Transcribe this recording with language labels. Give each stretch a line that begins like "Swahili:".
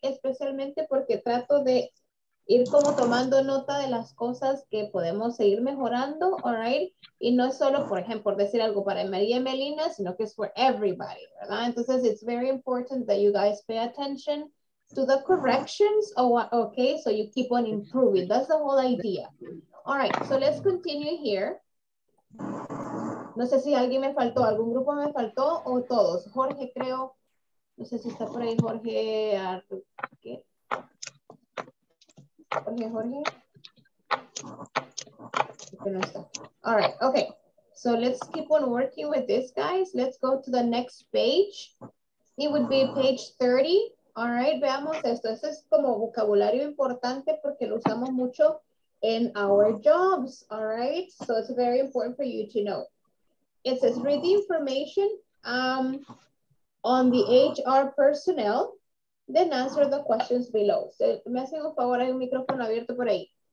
Spanish: Especialmente porque trato de ir como tomando nota de las cosas que podemos seguir mejorando,
English: all right?
Spanish: Y no es solo, por ejemplo, decir algo para María y Melina, sino que es
English: for everybody,
Spanish: ¿verdad? Entonces,
English: it's very important that you guys pay attention to the corrections, okay? So you keep on improving. That's the whole idea. All right, so let's continue here.
Spanish: No sé si alguien me faltó, algún grupo me faltó o todos. Jorge, creo. No sé si está por ahí Jorge. ¿Qué? Jorge, Jorge. Este no está.
English: All right, okay. So let's keep on working with this, guys. Let's go to the next page. It would be page 30. All right,
Spanish: veamos esto. Esto es como vocabulario importante porque lo usamos mucho
English: in our jobs. All right, so it's very important for you to know. It says, read the information on the HR personnel, then answer the questions below.
Spanish: So, me hacen un favor, hay un micrófono abierto por ahí.